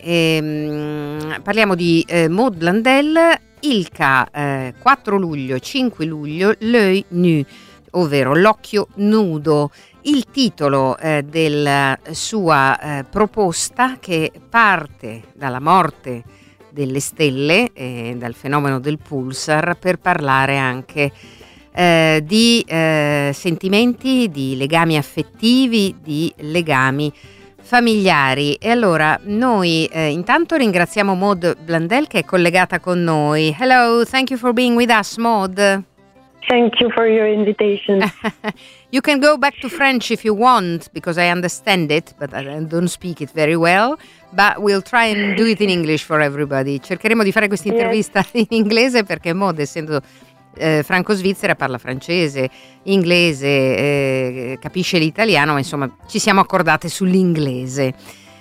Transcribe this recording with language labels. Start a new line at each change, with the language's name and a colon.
Italian: E, parliamo di Maud Blandel, Ilka, 4 luglio, 5 luglio, L'œil nu, ovvero l'occhio nudo, il titolo della sua proposta, che parte dalla morte delle stelle e dal fenomeno del pulsar per parlare anche di sentimenti, di legami affettivi, di legami familiari. E allora noi intanto ringraziamo Maud Blandel, che è collegata con noi.
English: Hello, thank you for being with us, Maud. Thank you for your invitation. You can go back to French if you want, because I understand it, but I don't speak it very well. But we'll try and do it in English for everybody.
Italian: Cercheremo di fare questa intervista in inglese, perché Maud, essendo franco-svizzera, parla francese, inglese, capisce l'italiano, ma insomma ci siamo accordate sull'inglese.